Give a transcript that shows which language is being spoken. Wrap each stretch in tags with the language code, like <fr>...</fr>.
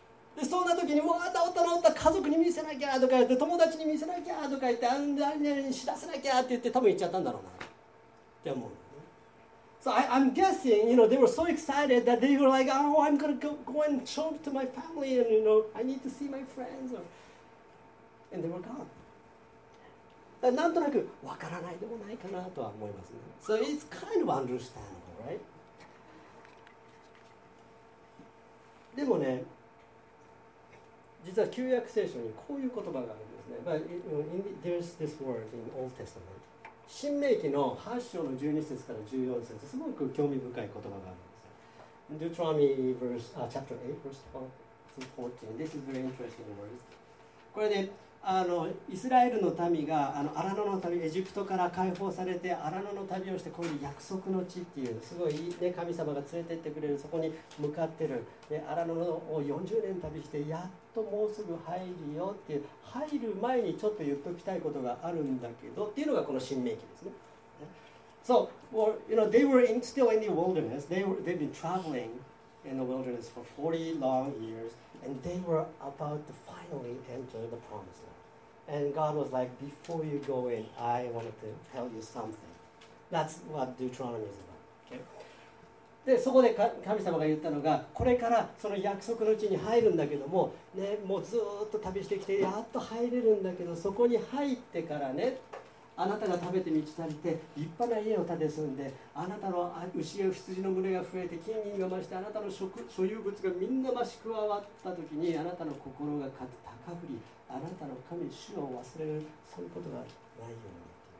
<ja>でそんな時にわあ治った治った家族に見せなきゃとか言って友達に見せなきゃとか言ってあんなに知らせなきゃって言って多分行っちゃったんだろうなって思う、ね。</ja> <en>So I'm guessing, you know, they were so excited that they were like, oh, I'm gonna go and show to my family and you know, I need to see my friends, or... and they were gone.</en> <ja>なんとなくわからないでもないかなとは思いますね。</ja> <en>So it's kind of understandable, right?</en> <ja>でもね。実は旧約聖書にこういう言葉があるんですね。</ja> <en>But there's this word in Old Testament.</en> <ja>新命記の8章の12節から14節、すごく興味深い言葉があるんです。</ja> <en>Deuteronomy verse, chapter 8, verse 12 to 14. This is very interesting words.</en> <ja>これで、イスラエルの民が、アラノの旅、エジプトから解放されて、アラノの旅をして、こういう約束の地っていう、すごい、ね、神様が連れてってくれる、そこに向かってる、でアラノを40年旅して、やっともうすぐ入るよっていう、入る前にちょっと言っときたいことがあるんだけどっていうのが、この新命記ですね。</ja> <en>So, well, you know, they were still in the wilderness. They've been traveling in the wilderness for 40 long years. And they were about to finally enter the promised land. And God was like, before you go in, I wanted to tell you something. That's what Deuteronomy is about. Okay?</en> <ja>で、そこで神様が言ったのが、これからその約束の地に入るんだけども、ね、もうずっと旅してきて、やっと入れるんだけど、そこに入ってからね、あなたが食べて満ち足りて立派な家を建て住んで、あなたの牛や羊の群れが増えて金銀が増して、あなたの所有物がみんな増し加わったときに、あなたの心が高ぶり、あなたの神主を忘れる、そういうことがないように。</ja>